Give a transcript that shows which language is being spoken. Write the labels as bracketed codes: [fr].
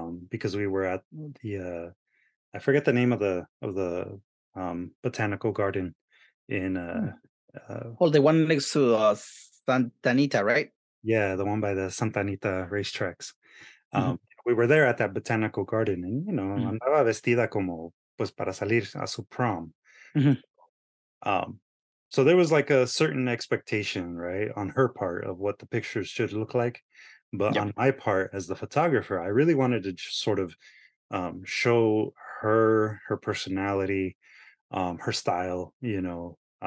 [en] Because we were at the, I forget the name of the botanical garden in, Well, the one next to Santa Anita, right? Yeah, the one by the Santa Anita racetracks. Mm-hmm. We were there at that botanical garden and, you know, mm-hmm. [es] andaba vestida como pues para salir a su prom. [en] Mm-hmm. So there was like a certain expectation, right, on her part of what the pictures should look like. But yeah. on my part as the photographer, I really wanted to just sort of show her personality, her style, you know.